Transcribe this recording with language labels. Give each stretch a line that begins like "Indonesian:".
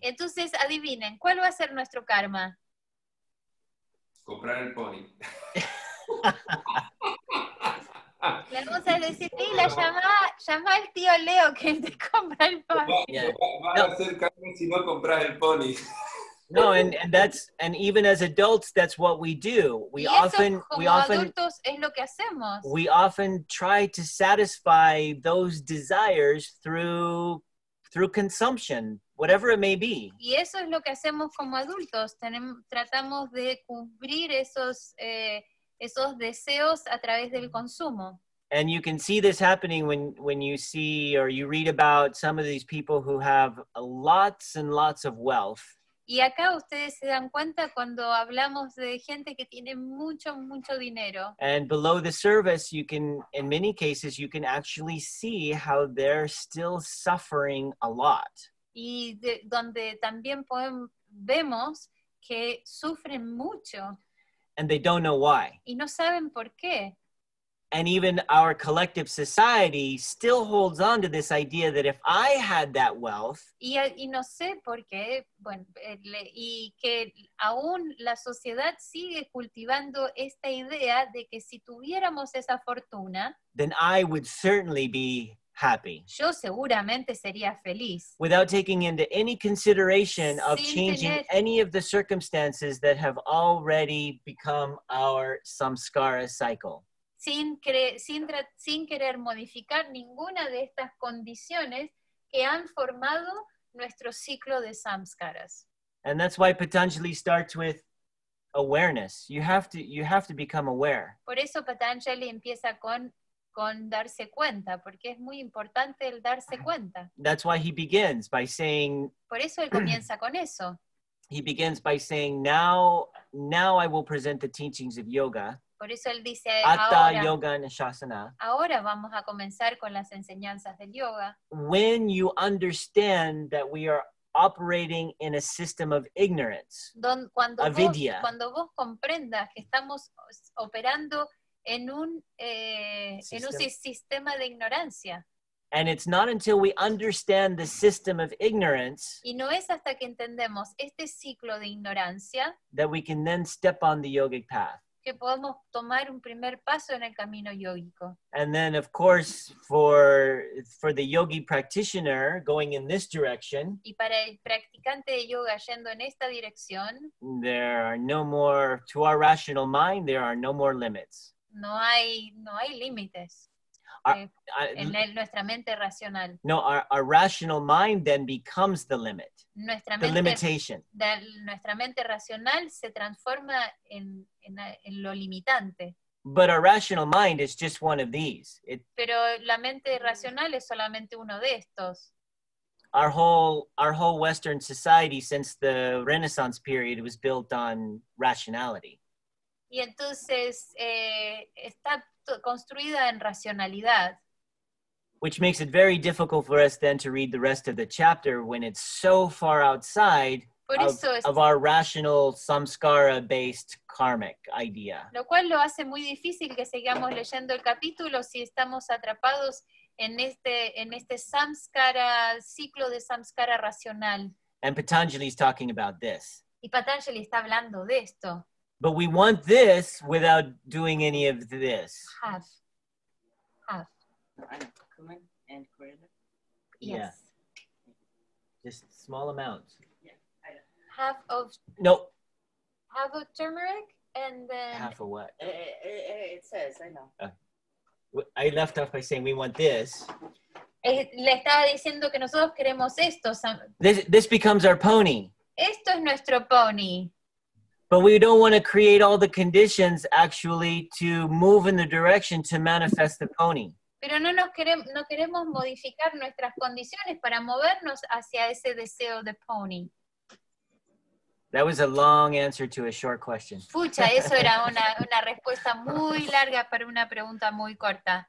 Spanish: Entonces adivinen, ¿cuál va a ser nuestro karma? Comprar el pony. Le vamos a decir, Lila, llama al tío Leo que te compra el pony. Va a ser karma si no compras el pony.
English: No, and even as adults, that's what we do. We often try to satisfy those desires through consumption, whatever it may be.
Spanish: Y eso es lo que hacemos como adultos. Tratamos de cubrir esos deseos a través del consumo.
English: And you can see this happening when you see or you read about some of these people who have lots and lots of wealth.
Spanish: Y acá ustedes se dan cuenta cuando hablamos de gente que tiene mucho, mucho dinero.
English: And below the surface, you can, in many cases, you can actually see how they're still suffering a lot.
Spanish: Y donde también vemos que sufren mucho.
English: And they don't know why.
Spanish: Y no saben por qué.
English: And even our collective society still holds on to this idea that if I had that wealth,
Spanish: y no sé por qué, bueno, y que aún la sociedad sigue cultivando esta idea de que si tuviéramos esa fortuna,
English: then I would certainly be happy.
Spanish: Yo seguramente sería feliz.
English: Without taking into any consideration of changing any of the circumstances that have already become our samskara cycle.
Spanish: Sin querer modificar ninguna de estas condiciones que han formado nuestro ciclo de samskaras.
English: And that's why Patanjali starts with awareness. You have to become aware.
Spanish: Por eso Patanjali empieza con darse cuenta, porque es muy importante el darse cuenta.
English: That's why he begins by saying.
Spanish: Por eso él comienza con eso.
English: He begins by saying, now I will present the teachings of yoga.
Spanish: Por eso él dice,
Sanskrit: Atta
Spanish: ahora,
Sanskrit: yoga nishasana.
Spanish: Ahora vamos a comenzar con las enseñanzas del yoga.
English: When you understand that we are operating in a system of ignorance,
Sanskrit: avidya.
Spanish: Cuando vos comprendas que estamos operando en un sistema de ignorancia.
English: And it's not until we understand the system of ignorance.
Spanish: Y no es hasta que entendemos este ciclo de ignorancia.
English: That we can then step on the yogic path.
Spanish: Que podemos tomar un primer paso en el camino yogico.
English: And then, of course, for the yogi practitioner going in this direction.
Spanish: Y para el practicante de yoga yendo en esta dirección.
English: There are no more to our rational mind. There are no more limits.
Spanish: No hay límites en nuestra mente racional.
English: No, our rational mind then becomes the limit. The limitation.
Spanish: Nuestra mente racional se transforma en lo limitante.
English: But our rational mind is just one of these.
Spanish: Pero la mente racional es solamente uno de estos.
English: Our whole Western society since the Renaissance period was built on rationality.
Spanish: Y entonces está construida en racionalidad.
English: Which makes it very difficult for us then to read the rest of the chapter when it's so far outside of our rational samskara-based karmic idea.
Spanish: Lo cual lo hace muy difícil que sigamos leyendo el capítulo si estamos atrapados en este samskara, ciclo de samskara racional.
English: And Patanjali is talking about this.
Spanish: Y Patanjali está hablando de esto.
English: But we want this without doing any of this. Have. Have. Cumin and coriander? Yes. Just small amounts. Yeah. Half of... No. Half of turmeric and then... Half of what? It says, I know. I left off by saying we want this.
Spanish: Le estaba diciendo que nosotros queremos esto.
English: This becomes our pony.
Spanish: Esto es nuestro pony.
English: But we don't want to create all the conditions actually to move in the direction to manifest the pony.
Spanish: Pero no queremos modificar nuestras condiciones para movernos hacia ese deseo de pony.
English: That was a long answer to a short question.
Spanish: Pucha, eso era una respuesta muy larga para una pregunta muy corta.